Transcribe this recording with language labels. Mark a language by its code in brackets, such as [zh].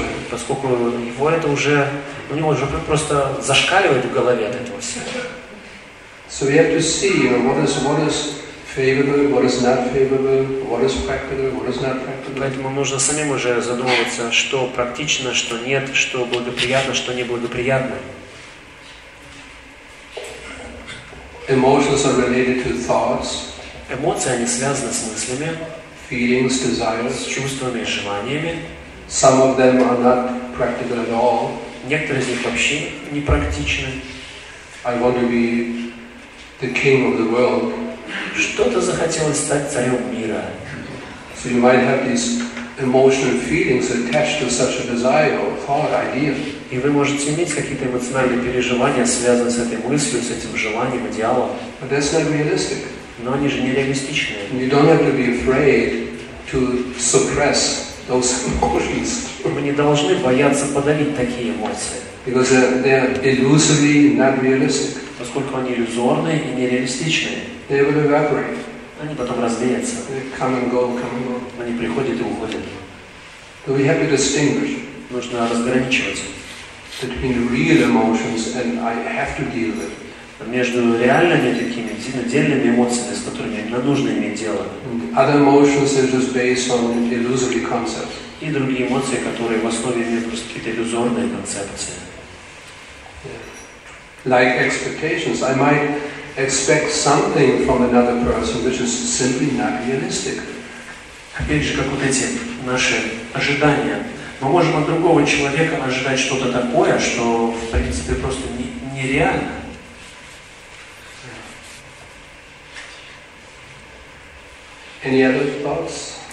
[ru] Поскольку его это уже, у него уже просто зашкаливает в голове от этого всего. [en] So we have to see, you know, what is favorable, what is not favorable, what is practical, what is not practical. [ru] Поэтому нужно самим уже задумываться, что практично, что нет, что благоприятно, что неблагоприятно. [en] Emotions are related to thoughts. [ru] Эмоции, они связаны с мыслями. [en] Feelings, desires, [ru] чувствами, желаниями. [en] Some of them are not practical at all. [ru] Некоторые из них вообще непрактичны. [en] I want to be the king of the world. [ru] Что-то захотелось стать царем мира. [en] So you might have these emotional feelings attached to such a desire or thought, idea. [ru] И вы можете иметь какие-то эмоциональные переживания, связанные с этой мыслью, с этим желанием, идеалом. [en] But that's not realistic. [ru] Но они же нереалистичные. [en] You don't have to be afraid to suppress those emotions. [ru] Вы не должны бояться подавить такие эмоции. [en] Because they are illusory, not realistic. [ru] Поскольку они иллюзорные и нереалистичные. [en] They will evaporate. [ru] Они потом развеются. [en] They come and go, come and go. [ru] Они приходят и уходят. [en] So we have to distinguish. [ru] Нужно разграничивать. [en] Between real emotions and I have to deal with. [ru] Между реальными такими отдельными эмоциями, с которыми нам нужно иметь дело. [en] Other emotions are just based on illusory concepts. [ru] И другие эмоции, которые в основе имеют просто какие-то иллюзорные концепции. [en] Like expectations, I might expect something from another person, which is simply not realistic. [ru] Опять же, как вот эти наши ожидания. Мы можем от другого человека ожидать что-то такое, что в принципе просто нереально. [en] Any other thoughts?